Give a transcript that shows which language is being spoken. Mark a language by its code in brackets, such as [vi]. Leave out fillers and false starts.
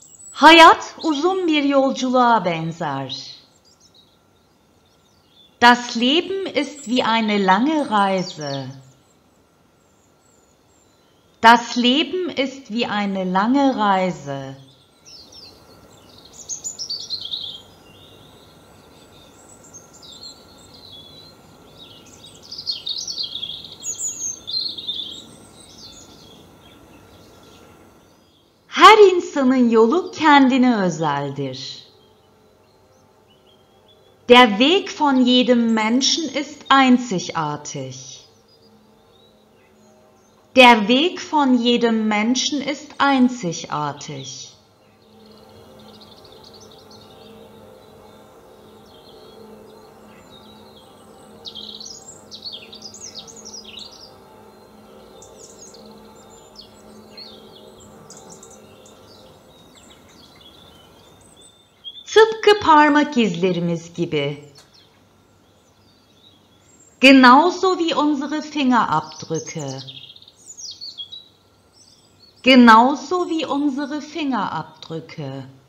[tr] Hayat uzun bir yolculuğa benzer. [de] Das Leben ist wie eine lange Reise. Das Leben ist wie eine lange Reise. [tr] Her insanın yolu kendine özeldir. [de] Der Weg von jedem Menschen ist einzigartig. Der Weg von jedem Menschen ist einzigartig. [tr] Tıpkı parmak izlerimiz gibi. [de] Genauso wie unsere Fingerabdrücke. Genauso wie unsere Fingerabdrücke.